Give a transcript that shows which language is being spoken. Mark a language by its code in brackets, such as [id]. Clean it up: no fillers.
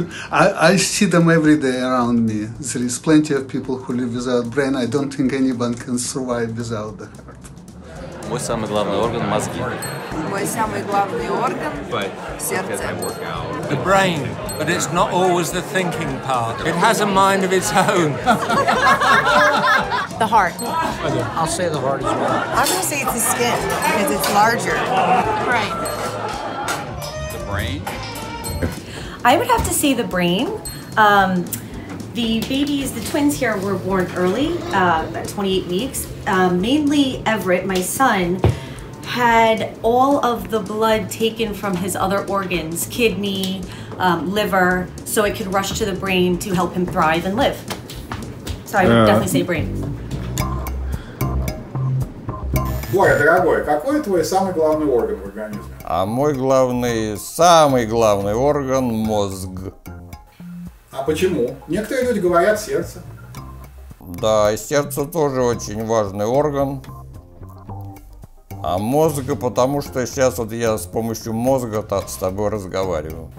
[en] I see them every day around me. There is plenty of people who live without brain. I don't think anyone can survive without the heart. [ru] Мой самый главный орган – мозги. Мой самый главный орган – сердце. [en] The brain, but it's not always the thinking part. It has a mind of its own. The heart. I'll say the heart as well. I'm going to say it's the skin, because it's larger. Right. The brain? I would have to say the brain. The babies, the twins here, were born early, at 28 weeks. Mainly Everett, my son, had all of the blood taken from his other organs, kidney, liver, so it could rush to the brain to help him thrive and live. So I would definitely say brain. [ru] Боря, дорогой, какой твой самый главный орган в организме? А мой самый главный орган – мозг. А почему? Некоторые люди говорят сердце. Да, и сердце тоже очень важный орган. А мозг, потому что сейчас вот я с помощью мозга с тобой разговариваю.